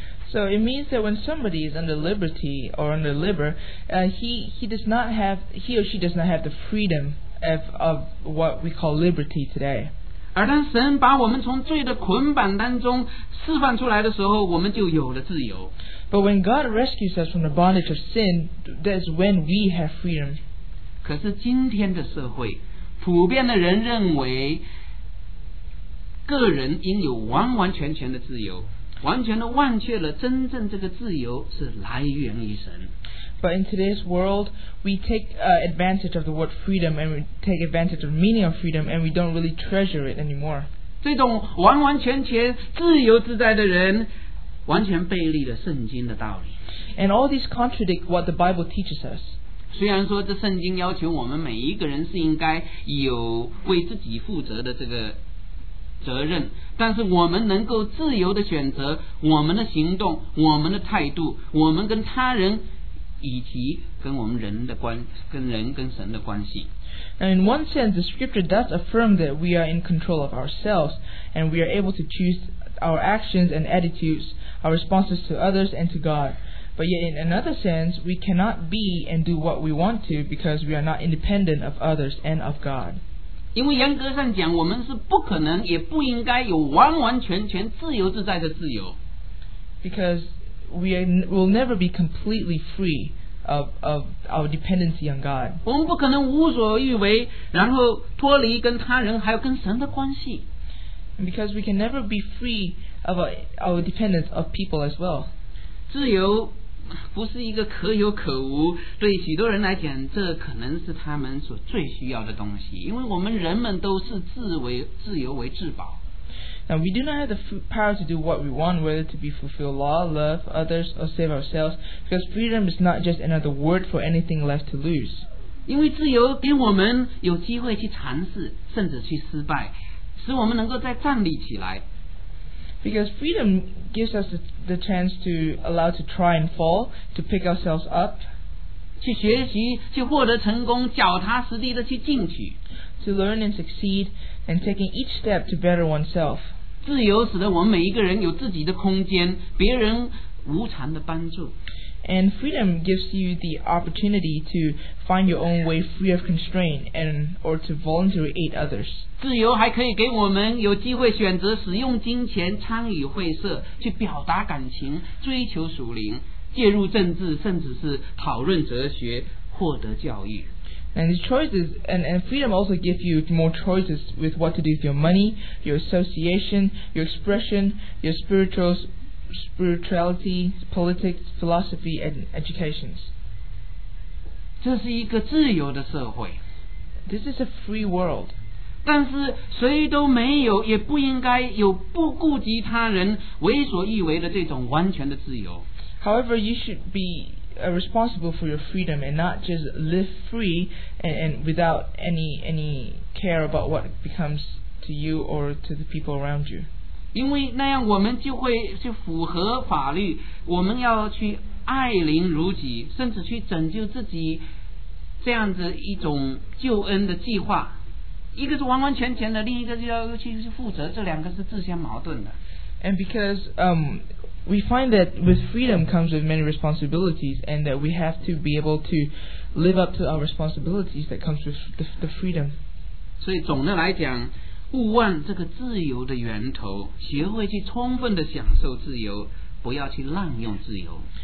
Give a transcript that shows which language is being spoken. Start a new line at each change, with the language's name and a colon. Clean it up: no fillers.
English: So it means that when somebody is under liberty or under liber he or she does not have the freedom of what we call liberty today
Chinese: 而当神把我们从罪的捆绑当中释放出来的时候我们就有了自由
English: But when God rescues us from the bondage of sin, that's when we have freedom.
Chinese: 可是今天的社会，普遍的人认为，个人应有完完全全的自由，完全的忘却了真正这个自由是来源于神。
English: But in today's world, we take advantage of the word freedom and we take advantage of the meaning of freedom and we don't really treasure it anymore.
Chinese: 这种完完全全自由自在的人完全背离了圣经的道理
English: And all these contradict what the Bible teaches us
Chinese: 虽然说这圣经要求我们每一个人是应该有为自己负责的这个责任但是我们能够自由的选择我们的行动我们的态度我们跟他人以及跟我们人的关跟人跟神的关系
English: Now in one sense the scripture does affirm that we are in control of ourselves and we are able to chooseour actions and attitudes, our responses to others and to God. But yet in another sense, we cannot be and do what we want to because we are not independent of others and of God.
Chinese: 因为严格上讲，我们是不可能也不应该有完完全全自由自在的自由。
English: Because we will never be completely free of our dependency on God.
Chinese: 我们不可能无所欲为，然后脱离跟他人还有跟神的关系。
English: Because we can never be free of our dependence of people as well.
Chinese: 自由不是一个可有可无，对许多人来讲，这可能是他们所最需要的东西。因为我们人们都是自由为至宝。
English: Now we do not have the power to do what we want, whether to be fulfill law, love others, or save ourselves, because freedom is not just another word for anything left to lose.
Chinese: 因为自由给我们有机会去尝试，甚至去失败。使我们能够再站立起来
English: Because freedom gives us the chance to allow to try and fall to pick ourselves up
Chinese: 去学习去获得成功脚踏实地的去进取
English: to learn and succeed and taking each step to better oneself
Chinese: 自由使得我们每一个人有自己的空间别人无偿的帮助
English: and freedom gives you the opportunity to find your own way free of constraint and or to voluntarily aid others
Chinese: 自由还可以给我们有机会选择使用金钱参与会社去表达感情追求属灵介入政治甚至是讨论哲学获得教育
English: and, the choices, and freedom also gives you more choices with what to do with your money your association your expression your spirituality politics philosophy and education
Chinese: 这是一个自由的社会
English: This is a free world
Chinese: 但是谁都没有也不应该有不顾及他人为所欲为的这种完全的自由
English: However, you should be responsible for your freedom and not just live free and without any care about what becomes to you or to the people around you
Chinese: 因为那样我们就会去符合法律我们要去爱邻如己甚至去拯救自己这样子一种救恩的计划一个是完完全全的另一个就要去负责这两个是自相矛盾的
English: and because we find that with freedom comes with many responsibilities, and that we have to be able to live up to our responsibilities that comes with the freedom.
Chinese: 所以总的来讲，勿忘这个自由的源头，学会去充分的享受自由，不要去滥用自由。